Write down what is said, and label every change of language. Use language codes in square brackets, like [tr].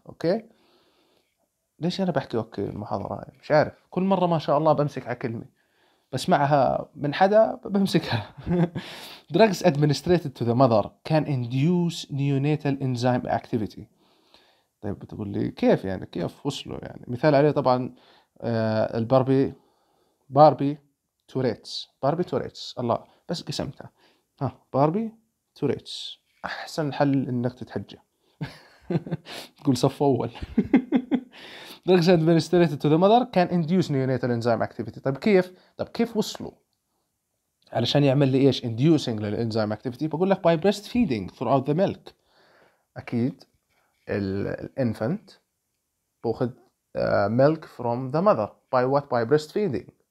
[ar] أوكي؟ ليش أنا بحكي أوكي المحاضرة؟ مش عارف، كل مرة ما شاء الله بمسك على كلمة بسمعها من حدا بمسكها. [en] Drugs administered to the mother can induce neonatal enzyme activity. [ar] طيب بتقول لي كيف يعني، كيف وصلوا يعني؟ مثال عليه طبعا الباربي، باربي توريتس، باربي توريتس، الله بس قسمتها، ها باربي توريتس، أحسن حل إنك تتحجى. تقول صف أول. [en] Drugs administered to the mother can induce neonatal enzyme activity. [ar] طيب كيف؟ طيب كيف وصلوا؟ علشان يعمل لي إيش؟ [en] inducing [ar] للenzyme activity. بقول لك [en] by breastfeeding throughout the milk. [ar] أكيد ال [en] infant [ar] بأخذ [en] milk from the mother. By what? By breastfeeding.